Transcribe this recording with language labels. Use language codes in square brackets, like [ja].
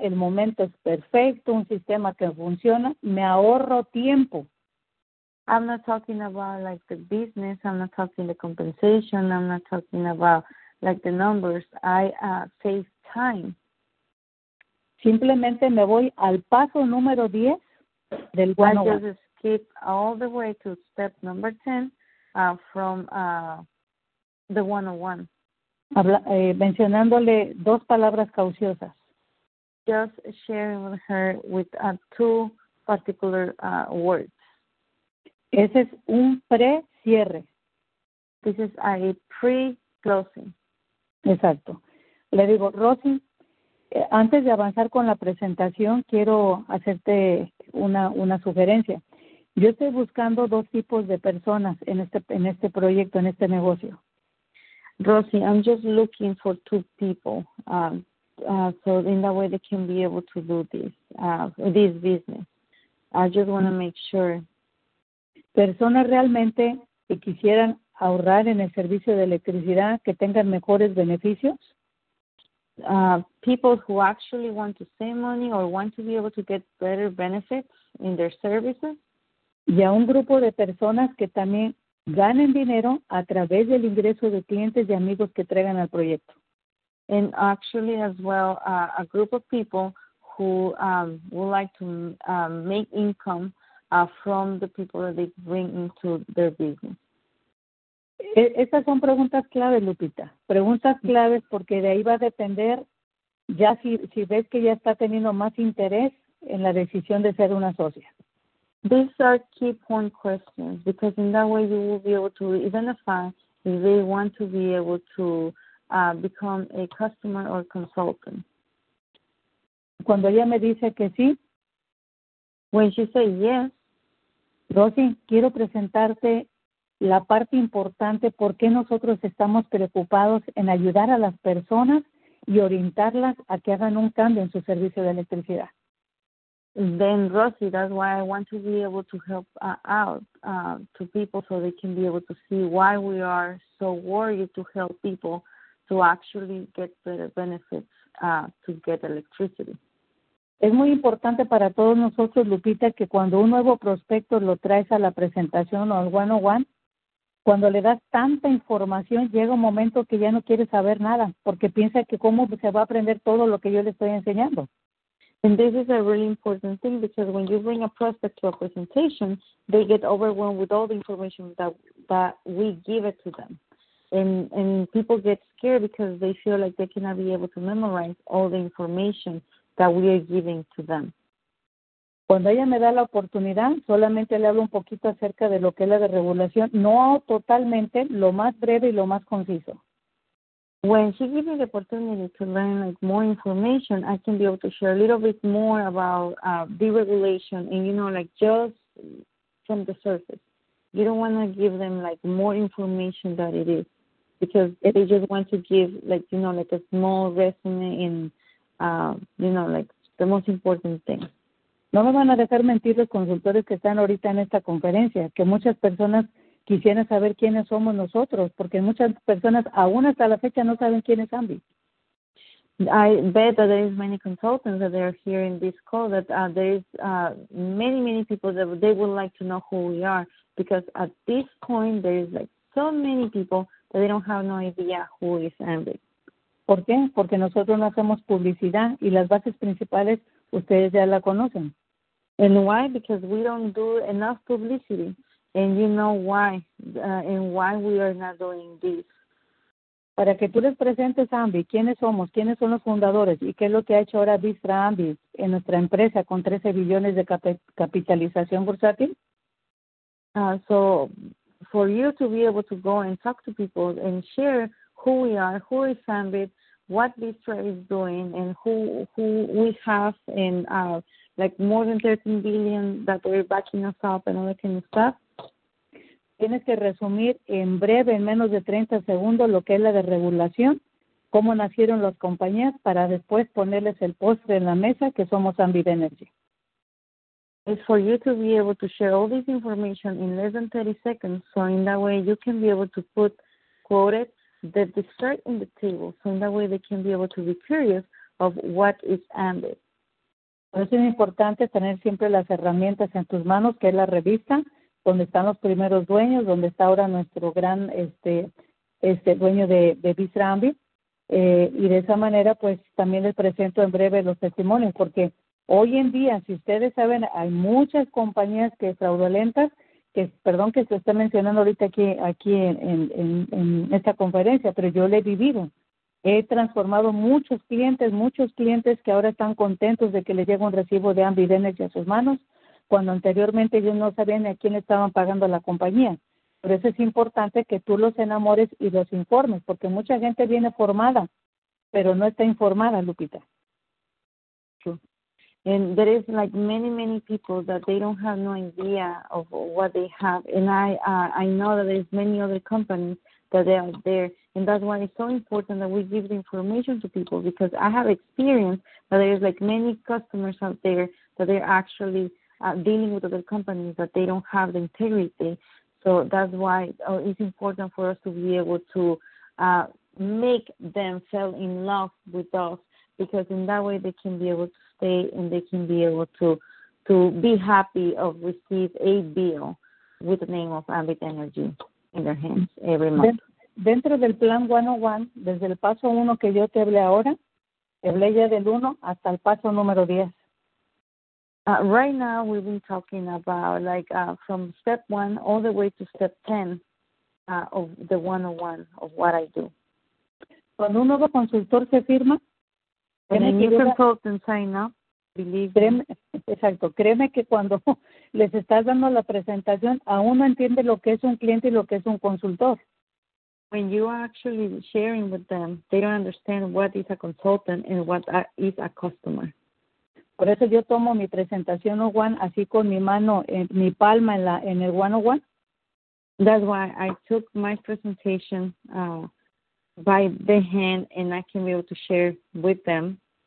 [es] El momento es perfecto, un sistema que funciona. Me ahorro tiempo. [en] I'm not talking about, like, the business. I'm not talking the compensation. I'm not talking about, like, the numbers. I save time. [es] Simplemente me voy al paso número 10 del plan. [en] I just skip all the way to step number 10 from the 101. [es] Mencionándole dos palabras cauciosas. [en] Just sharing with her with two particular words. [es] Ese es un pre-cierre. [en] This is a pre-closing. [es] Exacto. Le digo, Rosy, antes de avanzar con la presentación, quiero hacerte una sugerencia. Yo estoy buscando dos tipos de personas en este proyecto, en este negocio. [en] Rosy, I'm just looking for two people, so in that way they can be able to do this, this business. I just want to make sure. [es] Personas realmente que quisieran ahorrar en el servicio de electricidad, que tengan mejores beneficios. [en] People who actually want to save money or want to be able to get better benefits in their services. [es] Y a un grupo de personas que también ganen dinero a través del ingreso de clientes y amigos que traigan al proyecto. [en] And actually as well, a group of people who would like to make income from the people that they bring into their business. [es] Estas son preguntas claves, Lupita. Preguntas claves porque de ahí va a depender ya si ves que ya está teniendo más interés en la decisión de ser una socia. [en] These are key point questions, because in that way you will be able to identify if they want to be able to become a customer or consultant. [es] Cuando ella me dice que sí. [en] When she says yes. [es] Rosy, quiero presentarte la parte importante, por qué nosotros estamos preocupados en ayudar a las personas y orientarlas a que hagan un cambio en su servicio de electricidad. [en] Then, Rosy, that's why I want to be able to help out to people so they can be able to see why we are so worried to help people to actually get better benefits to get electricity. [es] Es muy importante para todos nosotros, Lupita, que cuando un nuevo prospecto lo traes a la presentación o al 101, cuando le das tanta información, llega un momento que ya no quiere saber nada porque piensa que cómo se va a aprender todo lo que yo le estoy enseñando. [en] And this is a really important thing, because when you bring a prospect to a presentation, they get overwhelmed with all the information that we give it to them. And people get scared because they feel like they cannot be able to memorize all the information that we are giving to them. [es] Cuando ella me da la oportunidad, solamente le hablo un poquito acerca de lo que es la desregulación, no totalmente, lo más breve y lo más conciso. [en] When she gives me the opportunity to learn, like, more information, I can be able to share a little bit more about deregulation and, you know, like, just from the surface. You don't want to give them, like, more information than it is, because they just want to give, like, you know, like, a small resume in, you know, like, the most important thing. [es] No me van a dejar mentir los consultores que están ahorita en esta conferencia, que muchas personas quisiera saber quiénes somos nosotros, porque muchas personas aún hasta la fecha no saben quién es Ambi. [en] I bet that there is many consultants that are here in this call, that there is many, many people that they would like to know who we are, because at this point there is, like, so many people that they don't have no idea who is Ambi. [es] ¿Por qué? Porque nosotros no hacemos publicidad y las bases principales ustedes ya la conocen. [en] And why? Because we don't do enough publicity. And you know why, and why we are not doing this. [es] para que tú les presentes a Ambi quiénes somos, quiénes son los fundadores y qué es lo que ha hecho ahora Vistra Ambi en nuestra empresa con 13 billones de capitalización bursátil. [en] So for you to be able to go and talk to people and share who we are, who is Ambi, what Vistra is doing, and who we have in like more than 13 billion that we're backing us up and all that kind of stuff. [es] Tienes que resumir en breve, en menos de 30 segundos, lo que es la desregulación, cómo nacieron las compañías, para después ponerles el postre en la mesa, que somos Ambit Energy. [en] It's for you to be able to share all this information in less than 30 seconds, so in that way you can be able to put, quote it, the dessert in the table, so in that way they can be able to be curious of what is Ambit. [es] Por eso es importante tener siempre las herramientas en tus manos, que es la revista, donde están los primeros dueños, donde está ahora nuestro gran dueño de Vistra Ambi. Y de esa manera, pues, también les presento en breve los testimonios, porque hoy en día, si ustedes saben, hay muchas compañías que fraudulentas, que, perdón que se esté mencionando ahorita aquí en esta conferencia, pero yo le he vivido. He transformado muchos clientes que ahora están contentos de que les llegue un recibo de Ambi Energy a sus manos, cuando anteriormente ellos no sabían a quién estaban pagando la compañía. Por eso es importante que tú los enamores y los informes, porque mucha gente viene formada, pero no está informada, Lupita. [en] True. And there is like many, many people that they don't have no idea of what they have. And I know that there's many other companies that they are there. And that's why it's so important that we give the information to people, because I have experienced that there's like many customers out there that they're actually dealing with other companies that they don't have the integrity. So that's why it's important for us to be able to make them fall in love with us, because in that way they can be able to stay and they can be able to be happy of receive a bill with the name of Ambit Energy in their hands every month. [es] Dentro del plan 101, desde el paso 1 que yo te hablé ahora, hablé ya del 1 hasta el paso número 10. [en] Right now, we've been talking about, like, from step 1 all the way to step 10 of the 101 of what I do. [es] Cuando un nuevo consultor se firma, [en] when a new consultant sign up, believe [es] créeme, exacto, créeme que cuando les estás dando la presentación, aún no entiende lo que es un cliente y lo que es un consultor. [en] When you are actually sharing with them, they don't understand what is a consultant and what is a customer. [es] Por eso yo tomo mi presentación one así con mi mano, mi palma en el 101. [en] That's why I took my presentation by the hand and I can be able to share with them.